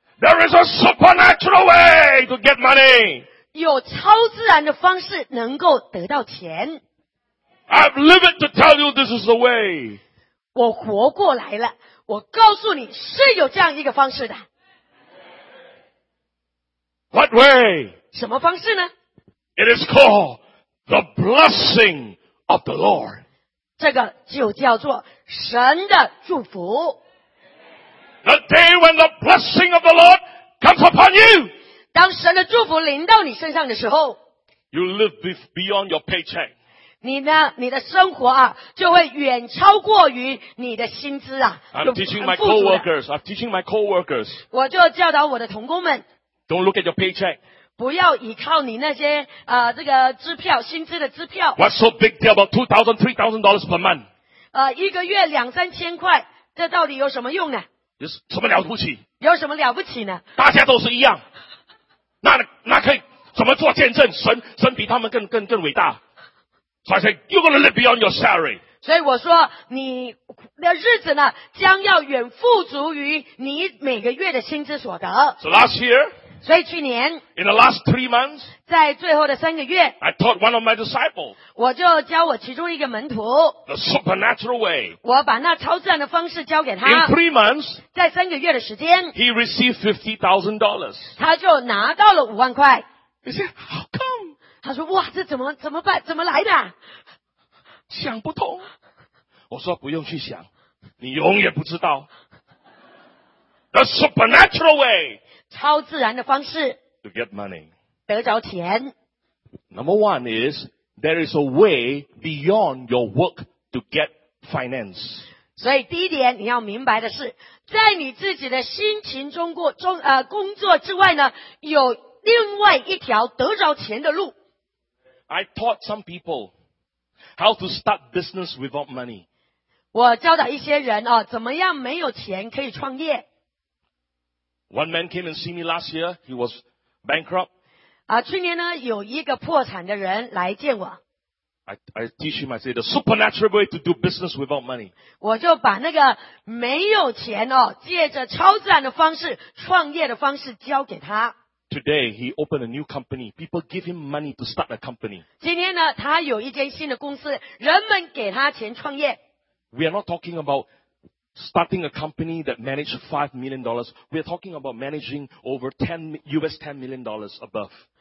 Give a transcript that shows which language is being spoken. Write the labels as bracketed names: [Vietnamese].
[English] there is a supernatural way to get money. [Chinese] 有超自然的方式能够得到钱。 [English] I've lived to tell you this is the way. [Chinese] 我活过来了，我告诉你是有这样一个方式的。 [English] What way? [Chinese] 什么方式呢? [English] It is called the blessing of the Lord. [Chinese] 这个就叫做神的祝福。 [English] The day when the blessing of the Lord comes upon you, [Chinese] 当神的祝福临到你身上的时候， [English] you live beyond your paycheck. [Chinese] 你的生活啊，就会远超过于你的薪资啊。 [English] I'm teaching my coworkers. [Chinese] 我就教导我的同工们。 [English] Don't look at your paycheck. [Chinese] 不要依靠你那些这个支票，薪资的支票。 [English] What's so big deal about $2,000-$3,000 per month? [Chinese] 一个月两三千块，这到底有什么用呢？有什么了不起？有什么了不起呢？大家都是一样，那可以怎么做见证？神比他们更伟大。 [English] So I said, you're gonna live beyond your salary. [Chinese] 所以我说，你的日子呢，将要远富足于你每个月的薪资所得。 [English] So last year. [Chinese] 所以去年。 [English] In the last 3 months. [Chinese] 在最后的三个月。 [English] I taught one of my disciples. [Chinese] 我就教我其中一个门徒。 [English] The supernatural way. [Chinese] 我把那超自然的方式教给他。 [English] In 3 months. [Chinese] 在三个月的时间。 [English] He received $50,000. [Chinese] 他就拿到了5万块。 [English] He said, how come? [Chinese] 他说，哇，这怎么办？怎么来的？想不通。我说不用去想，你永远不知道。 [English] The supernatural way. [Chinese] 超自然的方式。 [English] To get money. [Chinese] 得着钱。 [English] Number one is, there is a way beyond your work to get finance. [Chinese] 所以第一点你要明白的是，在你自己的辛勤工作之外呢，有另外一条得着钱的路。 [English] I taught some people how to start business without money. [Chinese] 我教导一些人啊，怎么样没有钱可以创业。 [English] One man came and see me last year. He was bankrupt. [Chinese] 去年呢，有一个破产的人来见我。 [English] I teach him, I say, the supernatural way to do business without money. [Chinese] 我就把那个没有钱哦，借着超自然的方式，创业的方式教给他。 [English] Today, he opened a new company. People give him money to start a company. [Chinese] 今天呢，他有一间新的公司，人们给他钱创业。 [English] We are not talking about starting a company that managed $5 million. We are talking about managing over $10 million above.